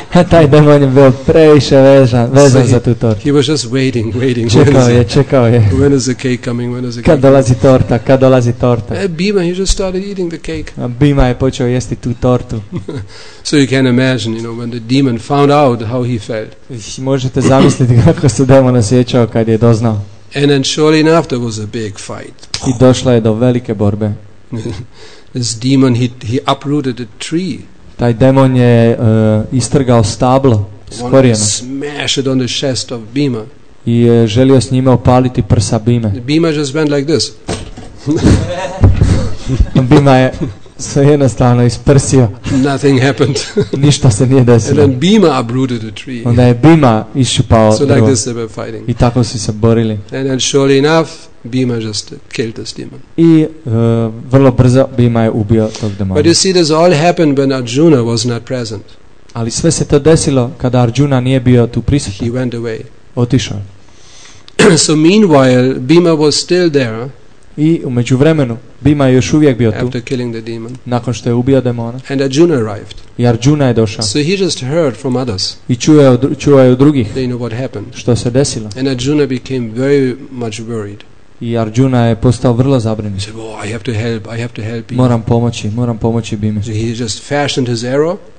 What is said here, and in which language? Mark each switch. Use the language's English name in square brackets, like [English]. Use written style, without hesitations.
[Croatian] Taj demon je bio previše vezan za tu tortu. [English] He was just waiting. [Croatian] Čekao je. [English] When is the cake coming? When is the cake? [Croatian] Kad dolazi torta? [English] Bhima, he just started eating the cake. [Croatian] Bhima je počeo jesti tu tortu. [English] So you can imagine, you know, when the demon found out how he felt. [Croatian] Možete zamisliti kako se demon osjećao kad je doznao. [English] And then surely enough, there was a big fight. [Croatian] I došla je do velike borbe. [English] This demon, he uprooted a tree. [Croatian] Taj demon je istrgao stablo s korijena. [English] Wanted to smash it on the chest of Bhima. [Croatian] I je želio s njime opaliti prsa Bhime. [English] Bhima just went like this. [Croatian] Bhima je se jednostavno isprsio. [English] Nothing happened. [Croatian] Ništa se nije desilo. [English] And then Bhima uprooted a tree. [Croatian] Onda je Bhima iščupao drvo. [English] So like this they were fighting. [Croatian] I tako su se borili. [English] And then surely enough, Bhima just killed this demon. [Croatian] I vrlo brzo Bhima je ubio tog demona. [English] But you see, this all happened when Arjuna was not present. [Croatian] Ali sve se to desilo kada Arjuna nije bio tu prisutan. [English] He went away. [Croatian] Otišao. [English] So meanwhile, Bhima was still there. [Croatian] I u međuvremenu Bhima je još uvijek bio [English] after [Croatian] tu. [English] After killing the demon. [Croatian] Nakon što je ubio demona. [English] And Arjuna arrived. [Croatian] I Arjuna je došao. [English] So he just heard from others. [Croatian] I čuo je od drugih. [English] They know what happened. [Croatian] Što se desilo. [English] And Arjuna became very much worried. [Croatian] I Arjuna je postao vrlo zabrinut. [English] So, oh, I have to help. [Croatian] Moram pomoći Bhima. [English] So he just fashioned his arrow.